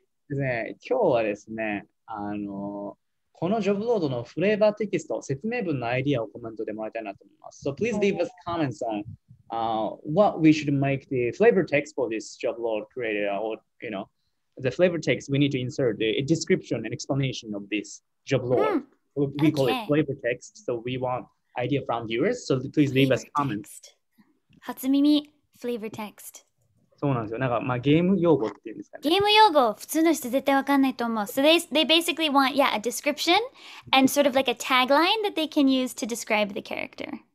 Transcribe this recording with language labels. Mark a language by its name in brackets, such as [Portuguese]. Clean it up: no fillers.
[Japanese] ね、今日はですね、このジョブロードのフレーバーテキスト、説明文のアイディアをコメントでもらいたいなと思います。 [English] So please leave us comments on. What we should make the flavor text for this job load creator, or you know, the flavor text we need to insert the description and explanation of this job load. We call it flavor text. So we want idea from viewers. So please leave us comments. [Japanese] 初耳 flavor text。そうなんですよ。なんかまあゲーム用語っていうんですかね。ゲーム用語、普通の人絶対わかんないと思う。 [English] So they basically want a description and sort of like a tagline that they can use to describe the character.